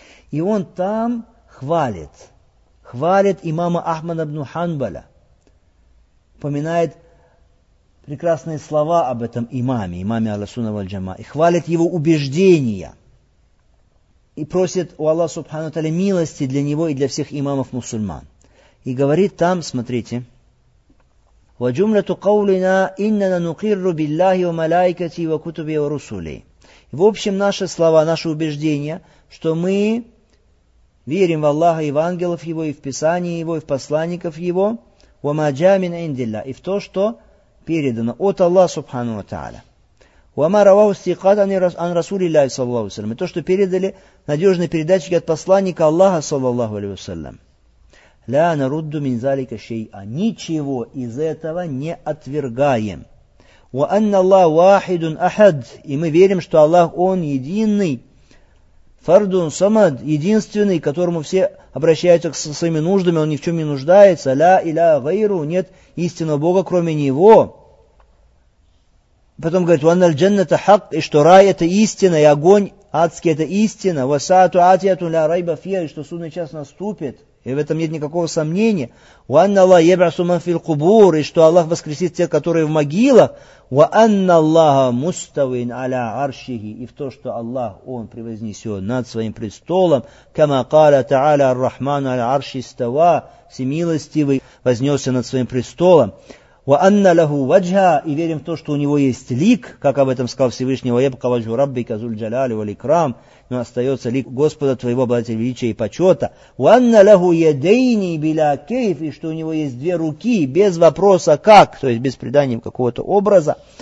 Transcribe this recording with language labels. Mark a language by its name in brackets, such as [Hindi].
[Russian] И он там хвалит имама Ахмада ибн Ханбаля, упоминает прекрасные слова об этом имаме, имаме Ахлиссунна валь Джама, и хвалит его убеждения, и просит у Аллаха Субхану Тааля милости для него и для всех имамов мусульман. И говорит там, смотрите, [Arabic] وجملة قولنا إننا نقر بالله وملائكته وكتبه ورسله. [Russian] В общем, наши слова, наше убеждение, что мы верим в Аллаха и в ангелов Его, и в Писание Его, и в посланников Его, [Arabic] وما جاء من عند الله, [Russian] и в то, что передано от Аллаха Субхану ва Тааля. [Arabic] وما رواه الثقات عن رسول الله صلى الله عليه وسلم, [Russian] и то, что передали надежные передатчики от посланника Аллаха [Arabic] صلى الله عليه وسلم. «Ля нарудду мин залика шей'а», [Russian] ничего из этого не отвергаем. [Arabic] «Ва анна Аллах вахидун ахад», [Russian] и мы верим, что Аллах, Он единый. [Arabic] «Фардун самад», [Russian] единственный, которому все обращаются со своими нуждами, Он ни в чем не нуждается. [Arabic] «Ля иля гайру», [Russian] нет истинного Бога, кроме Него. Потом говорит, [Arabic] «Ва анна джанната хак», [Russian] и что рай – это истина, и огонь адский – это истина. [Arabic] «Ва саату атиятун ля райба фия», [Russian] и что судный час наступит. И в этом нет никакого сомнения. [Arabic] وَأَنَّ اللَّهَ يَبْعَثُ مَنْ فِي الْقُبُورِ, [Russian] и что Аллах воскресит тех, которые в могилах. [Arabic] وَأَنَّ اللَّهَ مُسْتَوٍ عَلَىٰ عَرْشِهِ, [Russian] и в то, что Аллах, Он превознесен над своим престолом. [Arabic] كَمَا قَالَ تَعَالَى الرَّحْمَنُ عَلَىٰ عَرْشِ اسْتَوَىٰ, [Russian] всемилостивый вознесся над своим престолом. [Arabic] وَأَنَّ لَهُ وَجْهًا, [Russian] и верим в то, что у него есть лик, как об этом сказал Всевышний. [Arabic] وَيَبْقَى وَجْهُ رَبِّكَ ذُو الْجَلَالِ وَالْإِكْرَامِ, [Russian] но остается лик Господа твоего, обладателя величия и почета. [Arabic] وَأَنَّ لَهُ يَدَيْنِ بِلَا كَيْفِ, [Russian] и что у него есть две руки, без вопроса как, то есть без придания какого-то образа.